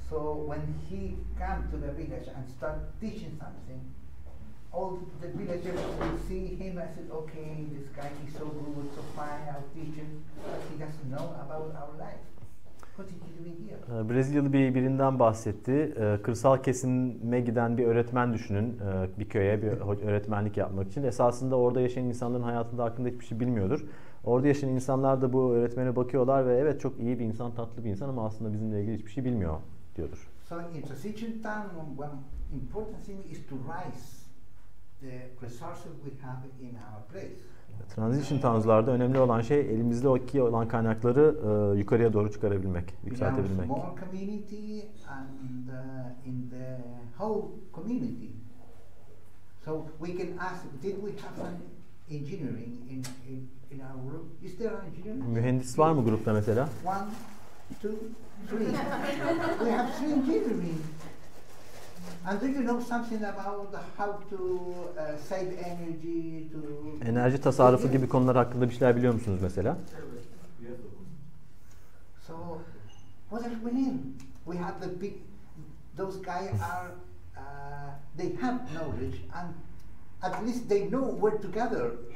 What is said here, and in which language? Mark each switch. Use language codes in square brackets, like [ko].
[en] So when he come to the village and start teaching something, all the villagers will see him and say, okay, this guy is so good, so fine, I'll teach him, but he doesn't know about our life. What is he doing here? [tr] Brezilyalı birinden bahsetti. Kırsal kesime giden bir öğretmen düşünün, bir köye bir öğretmenlik yapmak için. Esasında orada yaşayan insanların hayatında hakkında hiçbir şey bilmiyordur. Orada yaşayan insanlar da bu öğretmene bakıyorlar ve evet çok iyi bir insan, tatlı bir insan ama aslında bizimle ilgili hiçbir şey bilmiyor diyordur. [en] So in transition time, one important thing is to raise the resources we have in our place. [tr] Transition towns'larda önemli olan şey elimizde oki olan kaynakları yukarıya doğru çıkarabilmek, yükseltebilmek. [en] More community and in the whole community. So we can ask, did we have an engineering in our group? Is there an engineer? [tr] Mühendis var mı grupta mesela? [en] One, two, three. We have three engineering. And do you know something about how to save energy? To [tr] enerji tasarrufu gibi konular hakkında bir şeyler biliyor musunuz mesela? [en] So, what does we mean? We have the big, those guys are, they have knowledge and at least they know where to gather.